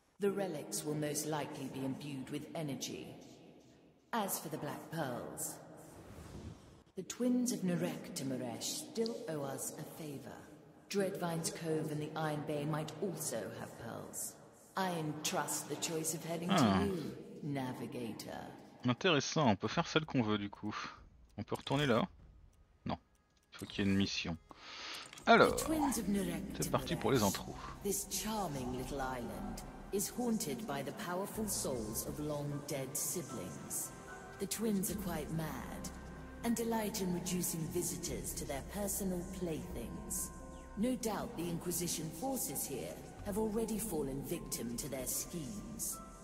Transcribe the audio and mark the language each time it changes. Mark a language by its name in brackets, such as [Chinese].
[English] The relics will most likely be imbued with energy. As for the black pearls, the twins of Narek Timoresh still owe us a favor. Dreadvine's Cove and the Iron Bay might also have pearls. I entrust the choice of heading to you, Navigator. [French] Intéressant, on peut faire celle qu'on veut du coup. On peut retourner là? Non, il faut qu'il y ait une mission. Alors, c'est parti pour les intros. [English] This charming little island is haunted by the powerful souls of long dead siblings. The twins are quite mad and delight in reducing visitors to their personal playthings. No doubt the Inquisition forces here have already fallen victim to their schemes.